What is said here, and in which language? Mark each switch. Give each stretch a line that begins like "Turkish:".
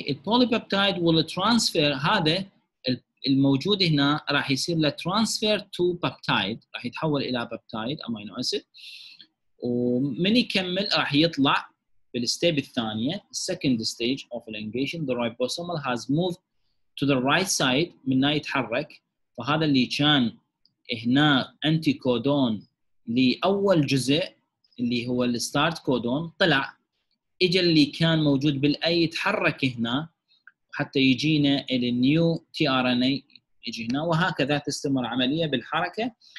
English: The polypeptide will transfer.
Arabic: هذا الموجود هنا راح يصير له
English: transfer to peptide.
Arabic: راح يتحول إلى peptide amino acid. ومن يكمل راح يطلع بالستيب الثانية,
English: second stage of elongation. The ribosomal has moved to the right side.
Arabic: من هنا يتحرك. فهذا اللي كان هنا anticodon لأول جزء. اللي هو الستارت كودون طلع اجى اللي كان موجود بالاي يتحرك هنا حتى يجينا النيو تي ار ان اي يجي هنا وهكذا تستمر عمليه بالحركه.